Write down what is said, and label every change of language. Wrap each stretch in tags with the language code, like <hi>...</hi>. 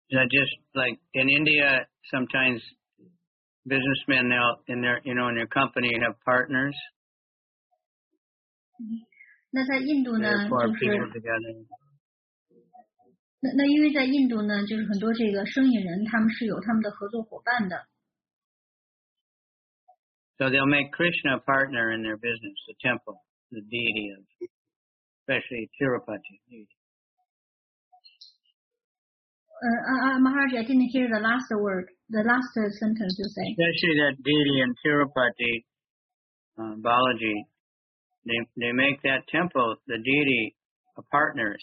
<en>Just like in India, sometimes businessmen now in their, you know, in their company have partners.</en> <zh>那在印度呢，就是那因为在印度呢，就是很多这个生意人他们是有他们的合作伙伴的。</zh> <en>So they'll make Krishna a partner in their business, the temple, the deity of, especially Tirupati. Maharaj, I didn't hear the last word, the last sentence you say. Especially that deity in Tirupati, Balaji, they make that temple, the deity, a partner.</en>